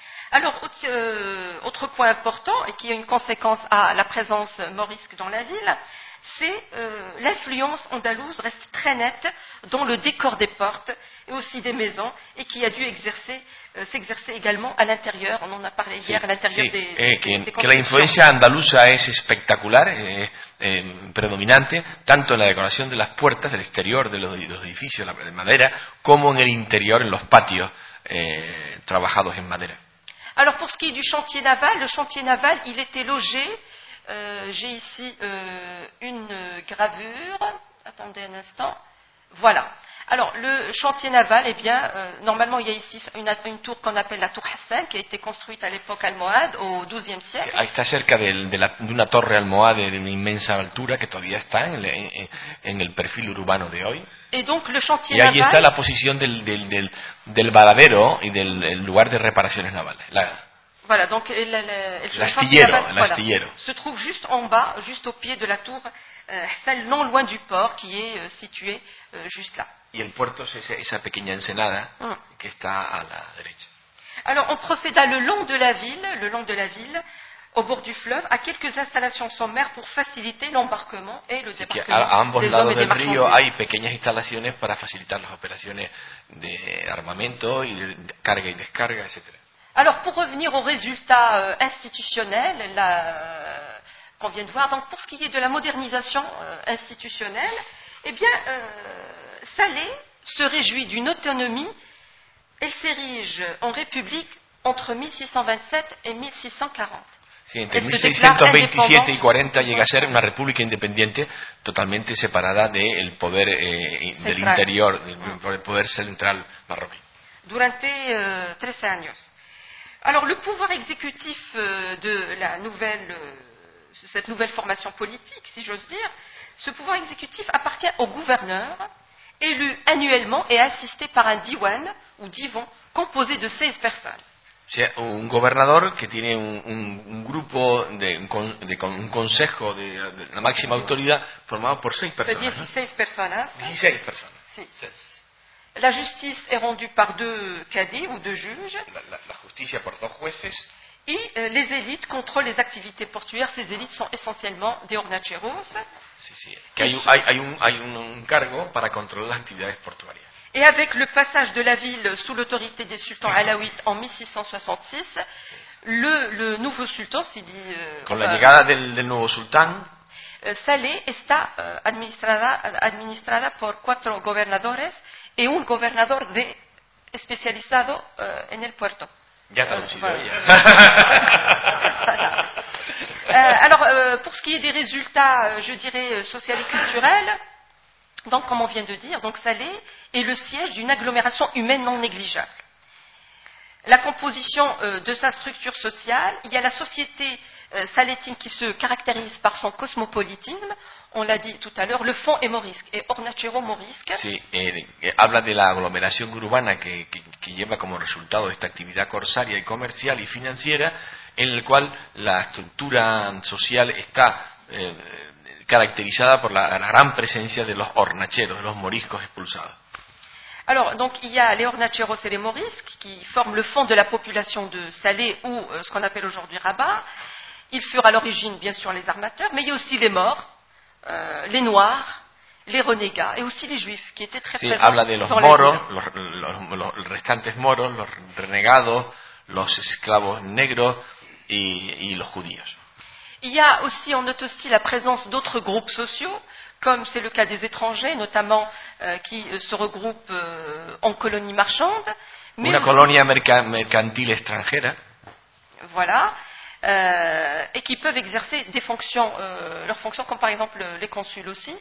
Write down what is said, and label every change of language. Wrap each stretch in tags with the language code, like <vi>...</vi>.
<fr>Alors, autre point important, et qui a une conséquence à la présence morisque dans la ville, c'est l'influence andalouse reste très nette dans le décor des portes et aussi des maisons, et qui a dû s'exercer également à l'intérieur. On en a parlé hier,</fr> <es>sí,</es> <fr>à l'intérieur</fr> <es>sí. Que la influencia andalusa es espectacular, predominante, tanto en la decoración de las puertas, del exterior, de los edificios de madera, como en el interior, en los patios trabajados en madera.</es> <fr>Alors, pour ce qui est du chantier naval, le chantier naval, il était logé. J'ai ici une gravure. Attendez un instant. Voilà. Alors, le chantier naval, eh bien, normalement, il y a ici une tour qu'on appelle la Tour Hassan, qui a été construite à l'époque almohade, au XIIe siècle. Elle est</fr> <es>cerca d'une torre almohade</es> <fr>d'une immense</fr> <es>altura, qui todavía está en el perfil urbano de hoy.</es> <fr>Et donc, le chantier naval. Et</fr> <es>ahí está la posición del varadero y del lugar de reparaciones navales.</es> <fr>Voilà, donc l'astillero se trouve juste en bas, juste au pied de la tour, celle non loin du port qui est située juste là.</fr> <es>Y el puerto es esa pequeña ensenada que está a la derecha.</es> <fr>Alors on procéda le long de la ville, au bord du fleuve, à quelques installations sommaires pour faciliter l'embarquement et le débarquement.</fr> <es>A ambos lados del río hay pequeñas instalaciones para facilitar las operaciones de armamento y de carga y descarga, etc.</es> <fr>Alors, pour revenir aux résultats institutionnels qu'on vient de voir, donc pour ce qui est de la modernisation institutionnelle, eh bien, Salé se réjouit d'une autonomie. Elle s'érige en république entre 1627 et 1640.</fr> <es>Sí, entre 1627 y 40 llega a ser una república independiente totalmente separada del poder del interior, del poder central marroquí. Durante 13 años.</es> <fr>Alors, le pouvoir exécutif de la nouvelle, cette nouvelle formation politique, si j'ose dire, ce pouvoir exécutif appartient au gouverneur, élu annuellement et assisté par un diwan ou divan composé de 16 personnes.</fr> <es>O sea, un gobernador que tiene un grupo un consejo de la máxima autoridad formado por 6 personas. 16 personas. 16 personas. Sí. 16. La justicia es rendida por 2 cadets o 2 juges. La justicia por 2 jueces. Y las élites controlan las actividades portuarias.</es> <fr>Ces élites</fr> <es>son esencialmente de Hornacheros. Sí, sí. Que hay un cargo para controlar las actividades portuarias.</es> <fr>Et avec le passage de la ville sous l'autorité des sultans alaouites en 1666, le nouveau sultan s'est dit...</fr> <es>Con la llegada del nuevo sultán, Saleh está administrada por 4 gobernadores y un gobernador especializado en el puerto. Ya traducido.</es> <fr>Voilà. Voilà. Alors, pour ce qui est des résultats, je dirais, sociaux et culturels, donc, comme on vient de dire, donc Saleh est le siège d'une agglomération humaine non négligeable. La composition de sa structure sociale, il y a la société salétine qui se caractérise par son cosmopolitisme, on l'a dit tout à l'heure, le fond est morisque, et Hornachero morisque.</fr> <es>Sí, habla de la aglomeración urbana que lleva como resultado esta actividad corsaria y comercial y financiera, en la cual la estructura social está...</es> <fr>caractérisée par la grande présence de</fr> <es>los hornacheros, de los moriscos expulsados.</es> <fr>Alors, donc, il y a les hornacheros et les morisques qui forment le fond de la population de Salé ou ce qu'on appelle aujourd'hui Rabat. Ils furent à l'origine, bien sûr, les armateurs, mais il y a aussi les morts, les noirs, les renégats et aussi les juifs qui étaient très présents. Sí, habla de los moros, los restantes moros, los renegados, los esclavos negros y los judíos. Il y a aussi, on note aussi la présence d'autres groupes sociaux, comme c'est le cas des étrangers, notamment qui se regroupent en colonies marchandes. Mais</fr> <es>una colonia mercantil extranjera.</es> <fr>Voilà. Et qui peuvent exercer des fonctions, leurs fonctions, comme par exemple les consuls aussi.</fr>